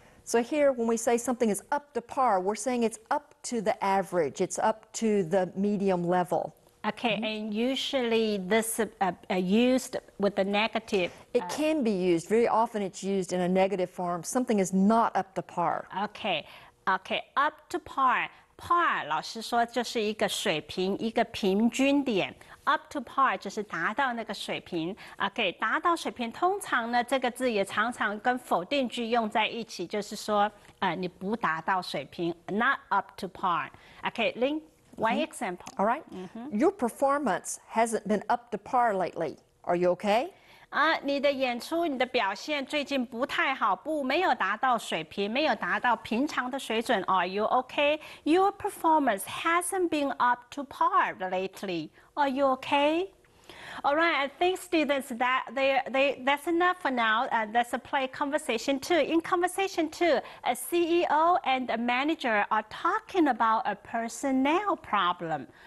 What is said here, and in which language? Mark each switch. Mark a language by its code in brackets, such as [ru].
[en] So here, when we say something is up to par, we're saying it's up to the average, it's up to the medium level. Okay, and usually this used with the negative. It can be used. Very often it's used in a negative form. Something is not up to par. Okay, okay, up to par. [zh] Par, 老师说就是一个水平，一个平均点。 Up to par 就是达到那个水平。Okay, 达到水平，通常呢，这个字也常常跟否定句用在一起，就是说，你不达到水平。 [en] Not up to par. Okay, Lin, one example. All right. Your performance hasn't been up to par lately. Are you okay? [zh] 你的演出，你的表现最近不太好，不，没有达到水平，没有达到平常的水准。 [en] Are you okay? Your performance hasn't been up to par lately. Are you okay? All right, I think students, that's enough for now. Let's play conversation two. In conversation two, a CEO and a manager are talking about a personnel problem.